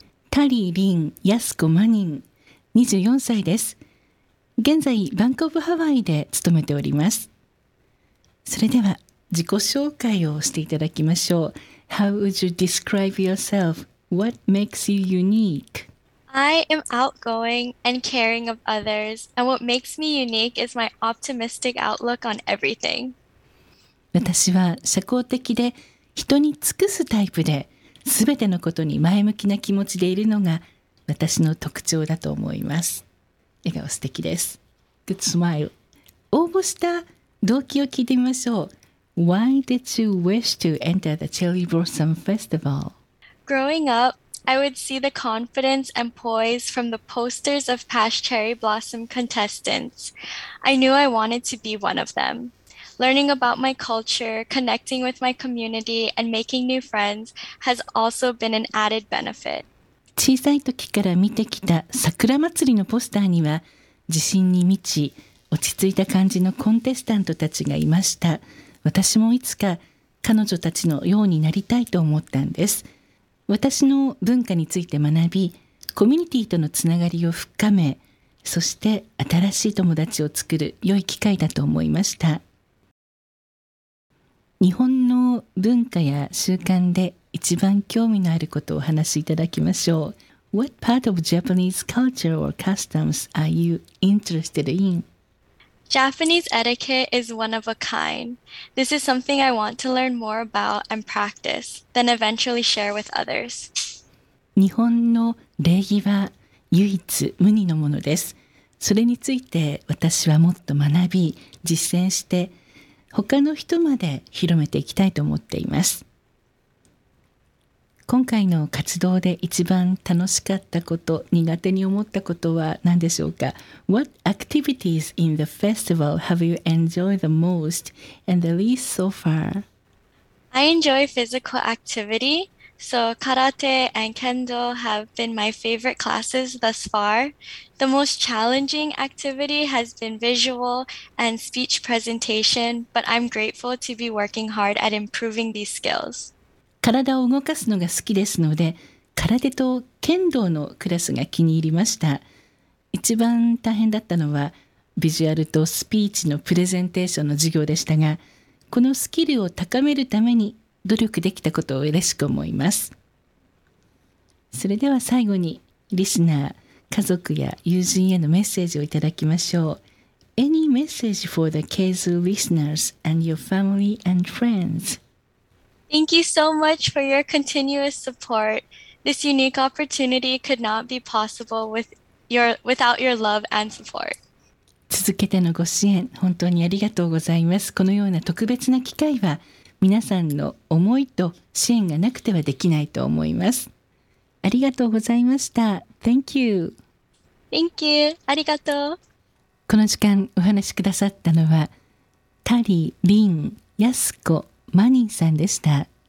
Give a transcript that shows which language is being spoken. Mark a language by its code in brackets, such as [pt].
[ja] タリー・リン・ヤスコ・マニン、24歳です。現在、バンクオブハワイで勤めております。それでは、自己紹介をしていただきましょう。 [en] How would you describe yourself? What makes you unique? I am outgoing and caring of others, and what makes me unique is my optimistic outlook on everything. [ja] 私は社交的で人に尽くすタイプで、すべてのことに前向きな気持ちでいるのが私の特徴だと思います。笑顔素敵です。 [en] Good smile. [ja] 応募した動機を聞いてみましょう。 [en] Why did you wish to enter the Cherry Blossom Festival? Growing up,I would see the confidence and poise from the posters of past Cherry Blossom contestants. I knew I wanted to be one of them. Learning about my culture, connecting with my community, and making new friends has also been an added benefit. [ja] 小さい時から見てきた桜祭りのポスターには、自信に満ち、落ち着いた感じのコンテスタントたちがいました。私もいつか彼女たちのようになりたいと思ったんです。私の文化について学び、コミュニティとのつながりを深め、そして新しい友達を作る良い機会だと思いました。日本の文化や習慣で一番興味のあることをお話しいただきましょう。 [en] What part of Japanese culture or customs are you interested in? Japanese etiquette is one of a kind. This is something I want to learn more about and practice, then eventually share with others. [ja] 日本の礼儀は唯一無二のものです。それについて私はもっと学び、実践して、他の人まで広めていきたいと思っています。今回の活動で一番楽しかったこと、苦手に思ったことは何でしょうか? [en] What activities in the festival have you enjoyed the most and the least so far? I enjoy physical activity, so karate and kendo have been my favorite classes thus far. The most challenging activity has been visual and speech presentation, but I'm grateful to be working hard at improving these skills. [ja] 体を動かすのが好きですので、空手と剣道のクラスが気に入りました。一番大変だったのは、ビジュアルとスピーチのプレゼンテーションの授業でしたが、このスキルを高めるために努力できたことを嬉しく思います。それでは最後に、リスナー、家族や友人へのメッセージをいただきましょう。 [en] Any message for the Keizu listeners and your family and friends? Thank you so much for your continuous support. This unique opportunity could not be possible without your love and support. [ja] 続けてのご支援、本当にありがとうございます。このような特別な機会は、皆さんの思いと支援がなくてはできないと思います。ありがとうございました。 [en] Thank you. Thank you. ありがとう。 [ja] この時間、お話しくださったのは、タリー・リン・ヤスコ・マニンさんでした。